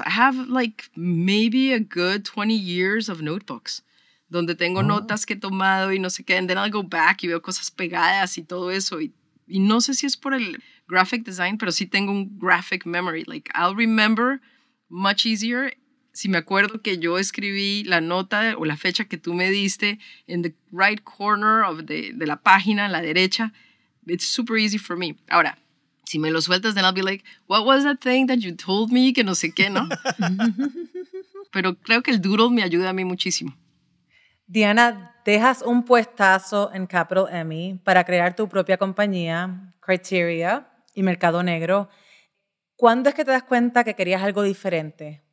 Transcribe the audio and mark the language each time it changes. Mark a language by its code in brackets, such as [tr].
[en] I have like maybe a good 20 years of notebooks. [es] Donde tengo notas que he tomado y no sé qué. [en] And then I'll go back [es] y veo cosas pegadas y todo eso. Y no sé si es por el graphic design, pero sí tengo un graphic memory. [en] Like, I'll remember much easier [es] si me acuerdo que yo escribí la nota o la fecha que tú me diste [en] in the right corner of [es] de la página, a la derecha. [en] It's super easy for me. [es] Ahora, si me lo sueltas, [en] then I'll be like, what was that thing that you told me? [es] Que no sé qué, ¿no? Pero creo que el doodle me ayuda a mí muchísimo. Diana, dejas un puestazo en Capital Emmy para crear tu propia compañía, Criteria y Mercado Negro. ¿Cuándo es que te das cuenta que querías algo diferente?